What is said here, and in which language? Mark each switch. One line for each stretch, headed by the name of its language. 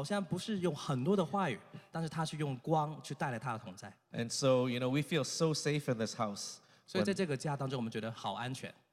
Chinese: 有一件事就是她好像不是用很多的话语, 但是她是用光去带来她的同在。
English: And so, you know, we feel so safe in this house.
Chinese: 所以在这个家当中我们觉得好安全。